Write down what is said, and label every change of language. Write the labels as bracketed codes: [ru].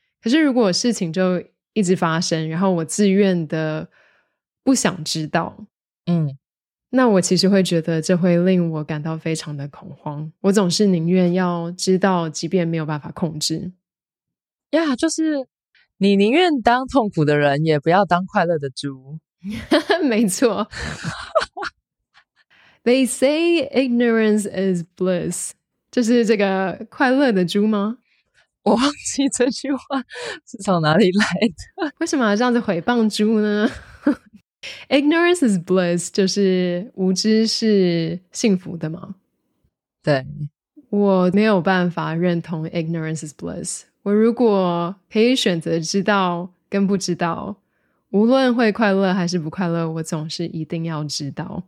[zh] 可是如果事情就一直发生，然后我自愿的不想知道，那我其实会觉得这会令我感到非常的恐慌，我总是宁愿要知道即便没有办法控制。就是你宁愿当痛苦的人，也不要当快乐的猪。没错。 [en] They say ignorance is bliss. [zh] 就是这个快乐的猪吗？我忘记这句话是从哪里来的。为什么要这样子毁谤猪呢？ Ignorance is bliss, 就是无知是幸福的吗？对，我没有办法认同 ignorance is bliss。我如果可以选择知道跟不知道，无论会快乐还是不快乐，我总是一定要知道。